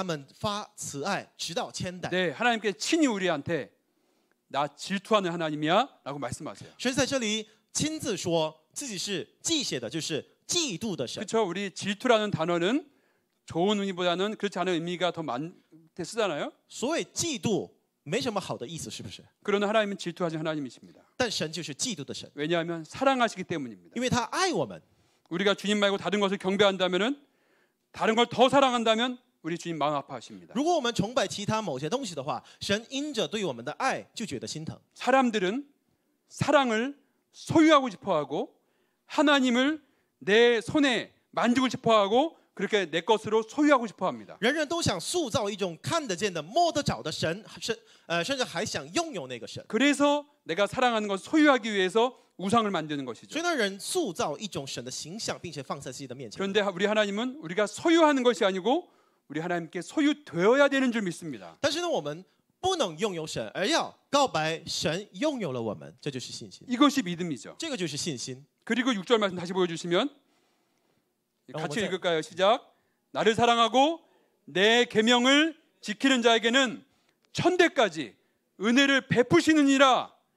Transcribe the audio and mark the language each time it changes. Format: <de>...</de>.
<ko>20장</ko> <zh>5到 6절我给你读一下不可跪拜那些像也不可侍奉他因为我耶和华你的神是祭邪的神恨我的我必追讨他的罪赐福及子直到三四代六节爱我守我诫命的我必向他们发慈爱直到千代</zh> <ko>네, 하나님께 친히 우리한테 나 질투하는 하나님이야라고 말씀하세요.</ko> <zh>神在这里亲自说自己是祭邪的就是</zh> <ko>그렇죠. 우리 질투라는 단어는 좋은 의미보다는 그렇지 않은 의미가 더 많게 쓰잖아요.</ko> <zh>所谓嫉妒没什么好的意思，是不是？</zh> <ko>그러나 하나님은 질투하지 하나님이십니다.</ko> <zh>但神就是嫉妒的神.</zh> <ko>왜냐하면 사랑하시기 때문입니다.</ko> <zh>因为他爱我们.</zh> <ko>우리가 주님 말고 다른 것을 경배한다면은 다른 걸 더 사랑한다면 우리 주님 마음 아파하십니다.</ko> <zh>如果我们崇拜其他某些东西的话，神因着对我们的爱就觉得心疼。</zh> <ko>사람들은 사랑을 소유하고 싶어하고 하나님을 내 손에 만지고 싶어하고 그렇게 내 것으로 소유하고 싶어합니다.</ko> <zh>人人都想塑造一种看得见的、摸得着的神，甚至还想拥有那个神。</zh> <ko>그래서 내가 사랑하는 것을 소유하기 위해서 우상을 만드는 것이죠.</ko> <zh>所以呢，人塑造一种神的形象，并且放在自己的面前。</zh> <ko>그런데 우리 하나님은 우리가 소유하는 것이 아니고 우리 하나님께 소유되어야 되는 줄 믿습니다.</ko> <zh>但是呢，我们不能拥有神，而要告白神拥有了我们，这就是信心。</zh> <ko>이것이 믿음이죠.</ko> <zh>这个就是信心。</zh> <ko>그리고 6절 말씀 다시 보여주시면. 같이 읽을까요? 시작. 나를 사랑하고 내 계명을 지키는 자에게는 천대까지 은혜를 베푸시느니라.</ko>